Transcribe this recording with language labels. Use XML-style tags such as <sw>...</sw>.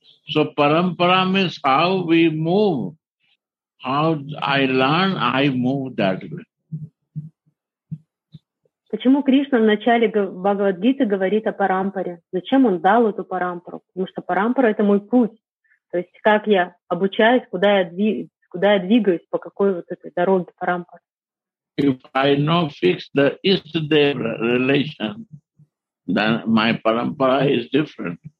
<en>So парампара means how we move, how I learn, I move that way.</en> <ru>Почему Кришна в начале Бхагавад-гиты говорит о парампаре? Зачем он дал эту парампару? Потому что парампара — это мой путь. То есть как я обучаюсь, куда я двигаюсь, по какой вот этой дороге парампара.</ru> <en>If I know fix the Ishtadeva relation, then my parampara is different.</en>